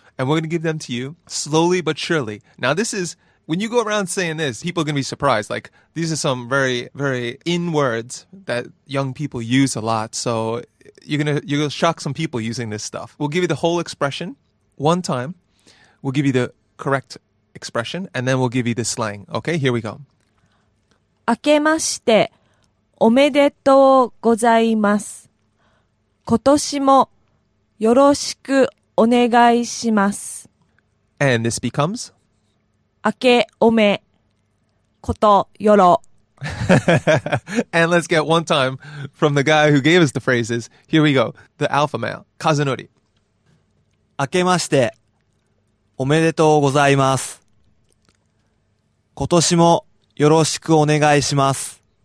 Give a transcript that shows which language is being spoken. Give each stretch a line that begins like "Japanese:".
English: And we're going to give them to you slowly but surely. Now, this is, when you go around saying this, people are going to be surprised. Like, these are some very, very in words that young people use a lot. So you're going to shock some people using this stuff. We'll give you the whole expression one time. We'll give you the correct expression. And then we'll give you the slang. Okay, here we go.
Japanese: 明けましておめでとうございます。今年もよろしくお願いします。
English: And this becomes?
Japanese: 明けおめことよろ。
English: And let's get one time from the guy who gave us the phrases. Here we go. The alpha male, Kazunori.
Japanese: 明けましておめでとうございます。今年もよろしくお願いします。